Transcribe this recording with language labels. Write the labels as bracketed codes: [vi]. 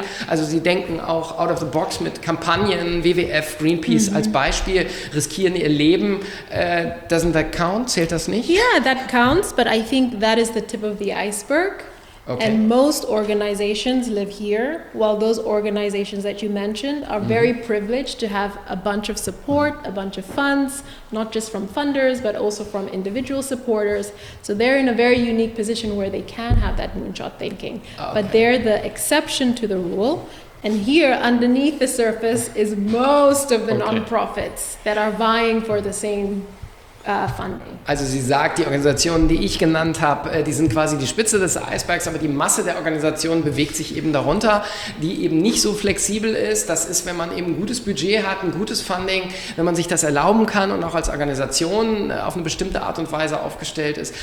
[en] Yeah. [de] Also sie denken auch [en] out of the box [de] mit Kampagnen, WWF, Greenpeace als Beispiel, riskieren ihr Leben. [en] Doesn't that count? [de] Zählt das nicht? [en] Yeah, that counts, but I think that is the tip of the iceberg. Okay. And most organizations live here, while those organizations that you mentioned are very privileged to have a bunch of support, a bunch of funds, not just from funders, but also from individual supporters. So they're in a very unique position where they can have that moonshot thinking. Okay. But they're the exception to the rule. And here, underneath the surface, is most of the nonprofits that are vying for the same funding. [de] Also sie sagt, die Organisationen, die ich genannt habe, die sind quasi die Spitze des Eisbergs, aber die Masse der Organisationen bewegt sich eben darunter, die eben nicht so flexibel ist. Das ist, wenn man eben ein gutes Budget hat, ein gutes Funding, wenn man sich das erlauben kann und auch als Organisation auf eine bestimmte Art und Weise aufgestellt ist.